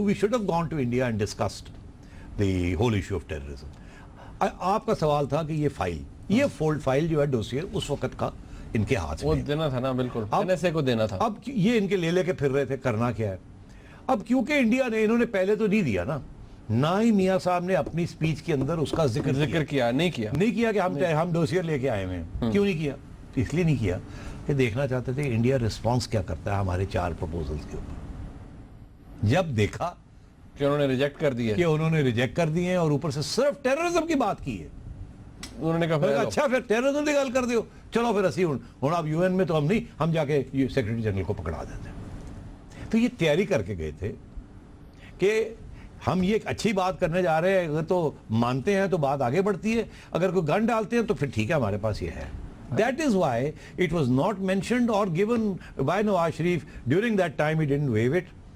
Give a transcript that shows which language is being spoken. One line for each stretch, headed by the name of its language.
English: We should have gone to India and discussed the whole issue of terrorism.
Hindi: आपका सवाल था कि ये फाइल, ये फोल्ड फाइल जो है डोसियर, उस वक्त का इनके हाथ में देना था ना, बिल्कुल एनएसए को देना था. अब ये इनके ले लेके फिर रहे थे, करना क्या है अब, क्योंकि इंडिया ने, इन्होंने पहले तो नहीं दिया ना, ना ही मियाँ साहब ने अपनी स्पीच के अंदर उसका जिक्र किया, नहीं किया, नहीं किया कि हम डोसियर लेके आए हुए. क्यों नहीं किया? इसलिए नहीं किया कि देखना चाहते थे इंडिया रिस्पांस क्या करता है हमारे चार प्रपोजल्स के ऊपर. जब देखा कि उन्होंने रिजेक्ट कर दिए, कि उन्होंने रिजेक्ट कर दिए और ऊपर से सिर्फ टेररिज्म की बात की है, उन्होंने कहा फिर अच्छा फिर टेररिज्म की
Punjabi: गल कर दियो,
Hindi: चलो फिर असी हूँ आप यूएन में तो हम नहीं, हम जाके सेक्रेटरी जनरल को पकड़ा देते. तो ये तैयारी करके गए थे कि हम ये एक अच्छी बात करने जा रहे हैं, अगर तो मानते हैं तो बात आगे बढ़ती है, अगर कोई गन डालते हैं तो फिर ठीक है हमारे पास ये है.
English: That is why it was not mentioned or given by Nawaz Sharif during that time. He didn't waive it.